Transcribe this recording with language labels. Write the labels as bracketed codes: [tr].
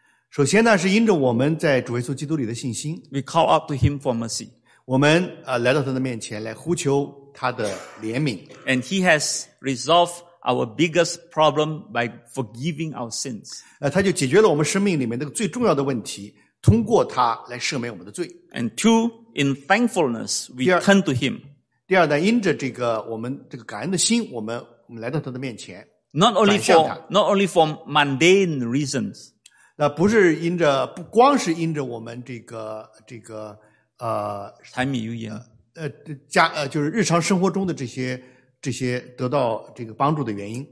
[zh] 首先呢，是因着我们在主耶稣基督里的信心。 [en] We call out to him for mercy. [zh] 我们来到他的面前来呼求他的怜悯。 [en] And he has resolved our biggest problem by forgiving our sins. [zh] 他就解决了我们生命里面那个最重要的问题，通过他来赦免我们的罪。 [en] And two, in thankfulness, we turn to him. [zh] 第二呢，因着这个我们这个感恩的心，我们来到他的面前。 [en] Not only for mundane reasons. [zh] 不是因着，不光是因着我们这个柴米油盐，就是日常生活中的这些得到这个帮助的原因